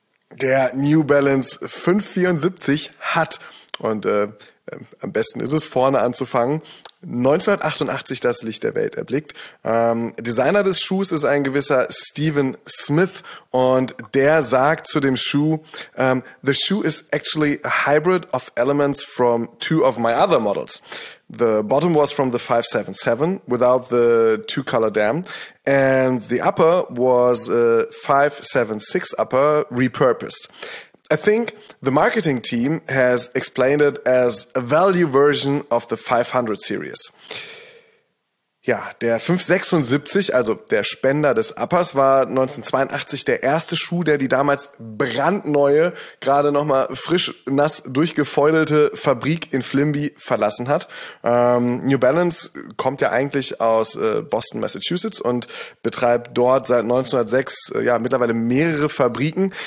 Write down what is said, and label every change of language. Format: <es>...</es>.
<de>Der New Balance 574 hat, und am besten ist es, vorne anzufangen, 1988 das Licht der Welt erblickt. Designer des Schuhs ist ein gewisser Stephen Smith, und der sagt zu dem Schuh,</de> <en>"The shoe is actually a hybrid of elements from two of my other models. The bottom was from the 577 without the two-color dam, and the upper was a 576 upper repurposed. I think the marketing team has explained it as a value version of the 500 series."</en> <de>Ja, der 576, also der Spender des Uppers, war 1982 der erste Schuh, der die damals brandneue, gerade nochmal frisch nass durchgefeudelte Fabrik in Flimby verlassen hat. New Balance kommt ja eigentlich aus Boston, Massachusetts, und betreibt dort seit 1906 mittlerweile mehrere Fabriken.</de>